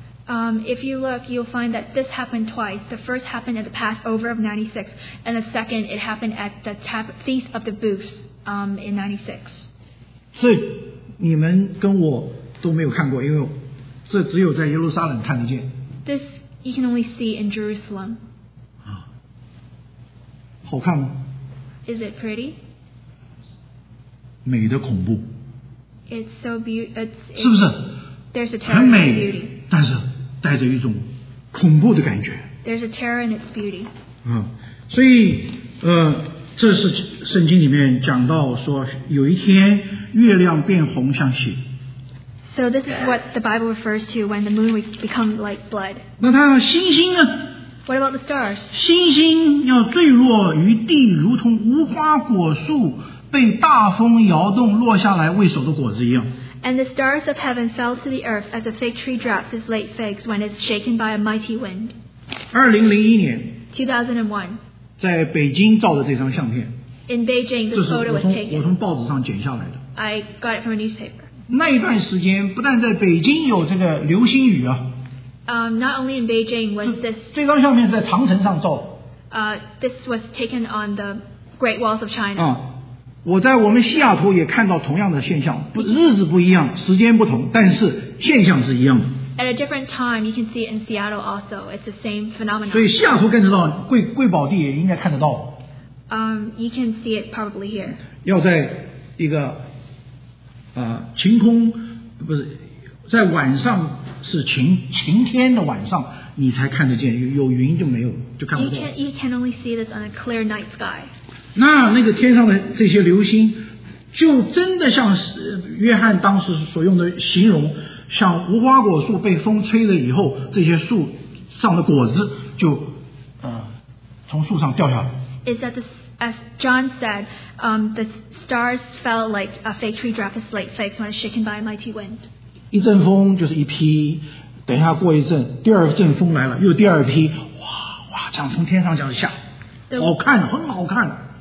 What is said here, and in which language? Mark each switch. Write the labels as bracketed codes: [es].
[en] If you look, you'll find that this happened twice. The first happened at the Passover of 96, and the second it happened at the Feast of the Booths in 96. [zh] 这你们跟我都没有看过，因为这只有在耶路撒冷看得见。 [en] This you can only see in Jerusalem. [zh] 啊，好看吗？ [en] Is it pretty? [zh] 美的恐怖。 [en] It's so beautiful. It's [zh] 是不是？ [en] There's a terror in its beauty. [zh] 很美，但是带着一种恐怖的感觉。 [en] There's a terror in its beauty. [zh] 啊，所以这是圣经里面讲到说有一天。月亮变红像血。 [en] So this is what the Bible refers to when the moon becomes like blood. [zh] 那它星星呢？ [en] What about the stars? [zh] 星星要坠落于地，如同无花果树被大风摇动落下来未熟的果子一样。 [en] And the stars of heaven fell to the earth as a fig tree drops its late figs when it's shaken by a mighty wind. [zh] 2001年。 [en] 2001。 [zh] 在北京照的这张相片。 [en] In Beijing, this photo was taken. [zh] 我从报纸上剪下来的。 [en] I got it from a newspaper. [zh] 那一段时间不但在北京有这个流星雨啊。 [en] Not only in Beijing was this. [zh] 这张相片是在长城上照。 [en] This was taken on the Great Walls of China. [zh] 我在我们西雅图也看到同样的现象，日子不一样，时间不同，但是现象是一样的。 [en] At a different time, you can see it in Seattle also. It's the same phenomenon. [zh] 所以西雅图看得到，贵宝地也应该看得到。 [en] You can see it probably here. [zh] 要在一个晴空不是在晚上是晴天的晚上你才看得见有云就没有就看不见 [en] you can only see this on a clear night sky. [zh] 那个天上的这些流星就真的像约翰当时所用的形容像无花果树被风吹了以后这些树上的果子就从树上掉下来。 [en] Is that as John said, the stars fell like a fig tree drop of slate flakes when shaken by a mighty wind. [zh] 一阵风就是一批，等一下过一阵，第二阵风来了，又第二批，哇，这样从天上这样下，好看，很好看。